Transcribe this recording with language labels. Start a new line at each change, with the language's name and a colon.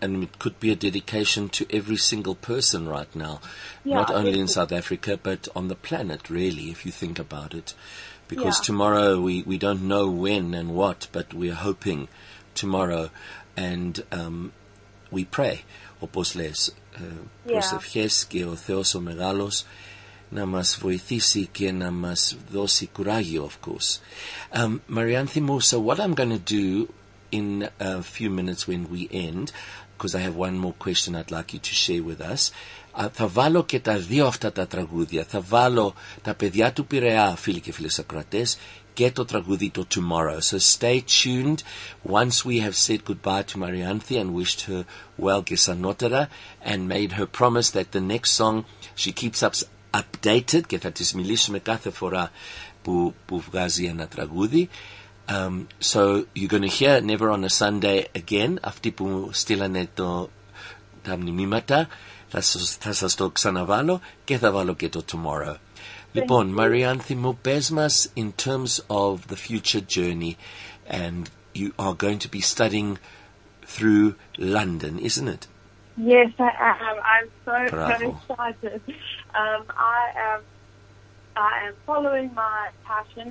English: And it could be a dedication to every single person right now, yeah, not only in South Africa, but on the planet, really, if you think about it. Because yeah. tomorrow, we don't know when and what, but we're hoping tomorrow, and we pray. Oposles,
Greek: προσευχές και ο Θεός ο μεγάλος να μας βοηθήσει και να μας δώσει κουράγιο,
English: of course. Marianthe Musa, what I'm going to do in a few minutes when we end, because I have one more question I'd like you to share with us.
Greek: Θα βάλω και τα δύο αυτά τα τραγούδια. Θα βάλω τα παιδιά του Πειραιά, φίλοι και φίλες ακροατές, και το τραγούδι το Tomorrow.
English: So stay tuned. Once we have said goodbye to Marianthe and wished her well gesanotera and made her promise that the next song she keeps us updated,
Greek: και θα της μιλήσουμε κάθε φορά που βγάζει ένα τραγούδι.
English: So you're going to hear Never on a Sunday again.
Greek: Αυτή που στείλανε τα μνημήματα. Θα σας το ξαναβάλω και θα βάλω και το Tomorrow. Λοιπόν, Marianthe μου, πες μας
English: in terms of the future journey, and you are going to be studying through London, isn't it? Yes, I am. I'm so, Bravo. So excited. I am following my passion.